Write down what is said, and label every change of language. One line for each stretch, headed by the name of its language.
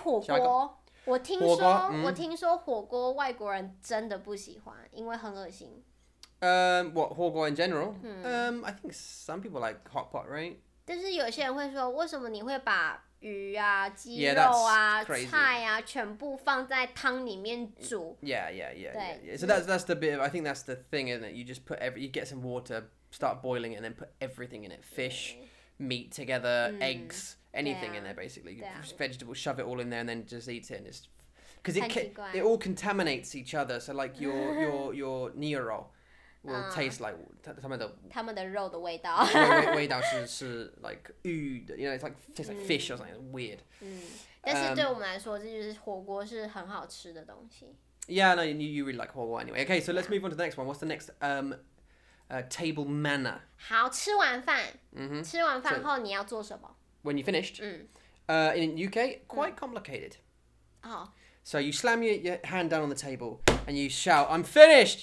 Chinese: 火锅，我听说，我听说火锅、嗯、外国人真的不喜欢，因为很恶心。
English: What, 火锅 in general?、嗯、 I think some people like hot pot, right?
Chinese: 但是有些人会说，为什么你会把鱼啊、鸡肉啊、
English: yeah, that's crazy.
Chinese: 菜啊全部放在汤里面煮？ Yeah, yeah, yeah, yeah, yeah.
English: So that's the bit of, I think that's the thing, isn't it? You just put you get some water,start boiling it and then put everything in it. Fish,、 yeah. meat together,、嗯、 eggs, anything、啊、 in there basically.、啊、 vegetables, shove it all in there and then just eat it. And it's, because it all contaminates each other. So like your near roll will taste like
Chinese: 他们的肉的味道。味道是
English: like, you know, it's like, tastes like fish or something. Weird.、
Chinese: 嗯、但是对我们来说这就是火锅是很好吃的东西。
English: Yeah, no, you really like 火锅 anyway. Okay, so let's、 yeah. move on to the next one. What's the next? Table manner.
Chinese: 好，吃完饭。 Mm-hmm. 吃完饭后你要做什么？
English: When you finished. 嗯。 In UK, quite complicated. 哦。 So you slam your hand down on the table and you shout, "I'm finished!"